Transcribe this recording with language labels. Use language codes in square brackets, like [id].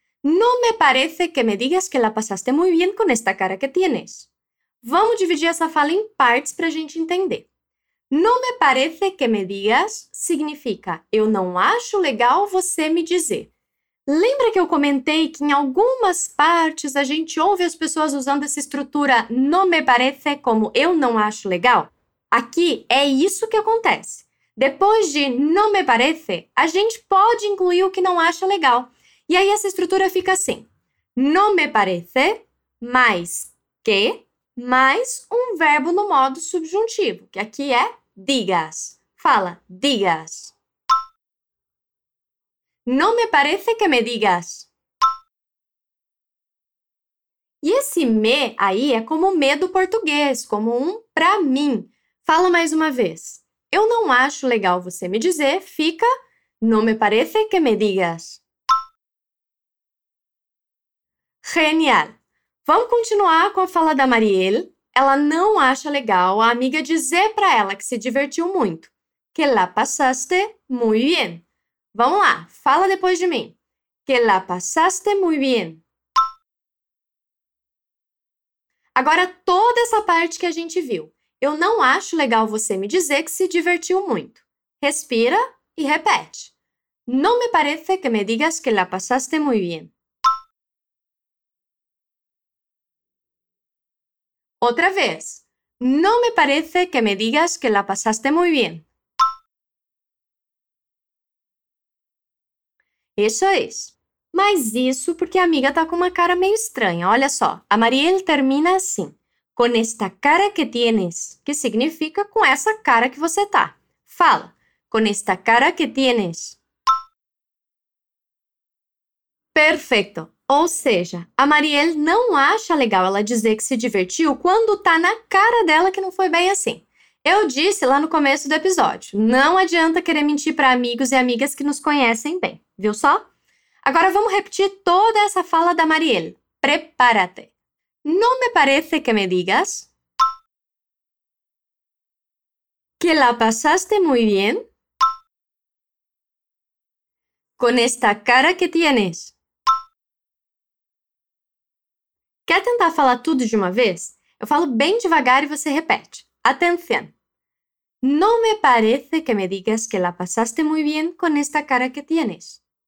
[es] No me parece que me digas que la pasaste muy bien con esta cara que tienes. [pt] Vamos dividir essa fala em partes para a gente entender. [es] No me parece que me digas [pt] significa eu não acho legal você me dizer. Lembra que eu comentei que em algumas partes a gente ouve as pessoas usando essa estrutura [es] no me parece [pt] como eu não acho legal? Aqui é isso que acontece. Depois de [es] no me parece, [pt] a gente pode incluir o que não acha legal. E aí essa estrutura fica assim. [es] No me parece [pt] mais que mais um verbo no modo subjuntivo, que aqui é digas. Fala, digas. [es] No me parece que me digas. [pt] E esse me aí é como me do português, como um pra mim. Fala mais uma vez. Eu não acho legal você me dizer, fica [es] no me parece que me digas. [pt] Genial! Vamos continuar com a fala da Marielle. Ela não acha legal a amiga dizer para ela que se divertiu muito. [es] Que la pasaste muy bien. [pt] Vamos lá, fala depois de mim. [es] Que la pasaste muy bien. [pt] Agora, toda essa parte que a gente viu. Eu não acho legal você me dizer que se divertiu muito. Respira e repete. [es] No me parece que me digas que la pasaste muy bien. [pt] Outra vez. [es] No me parece que me digas que la pasaste muy bien. [pt] Isso é isso. Mas isso porque a amiga está com uma cara meio estranha. Olha só, a Marielle termina assim. [es] Con esta cara que tienes, [pt] que significa com essa cara que você tá. Fala, [es] con esta cara que tienes. [pt] Perfeito. Ou seja, a Marielle não acha legal ela dizer que se divertiu quando tá na cara dela que não foi bem assim. Eu disse lá no começo do episódio, não adianta querer mentir para amigos e amigas que nos conhecem bem, viu só? Agora vamos repetir toda essa fala da Marielle. [es] prepárate. No me parece que me digas que la pasaste muy bien con esta cara que tienes. [pt] Quer tentar falar tudo de uma vez? Eu falo bem devagar e você repete. Atenção! [es] No me parece que me digas que la pasaste muy bien con esta cara que tienes.